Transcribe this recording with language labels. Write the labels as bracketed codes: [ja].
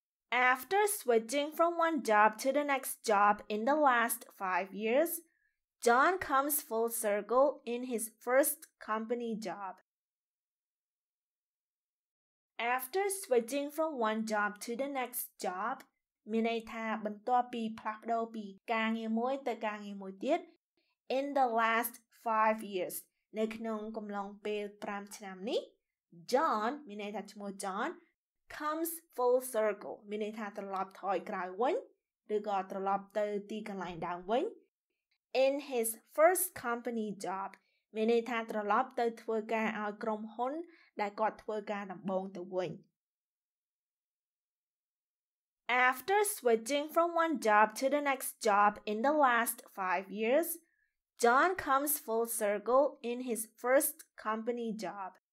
[en] After switching from one job to the next job in the last 5 years, John comes full circle in his first company job. After switching from one job to the next job, [km] មានន័យថាបន្ទាប់ពីផ្លាស់ប្ដូរពីការងារមួយទៅការងារមួយទៀត [en] in the last 5 years [km] នៅក្នុងកំឡុងពេល 5 ឆ្នាំនេះ John មានន័យថាឈ្មោះ John [en] comes full circle [km] មានន័យថាត្រឡប់ថយក្រោយវិញឬក៏ត្រឡប់ទៅទីកន្លែងដើមវិញ [en] in his first company job [km] មានន័យថាត្រឡប់ទៅធ្វើការឲ្យក្រុមហ៊ុនដែលគាត់ធ្វើការដំបូងទៅវិញ [en] After switching from one job to the next job in the last 5 years, John comes full circle in his first company job.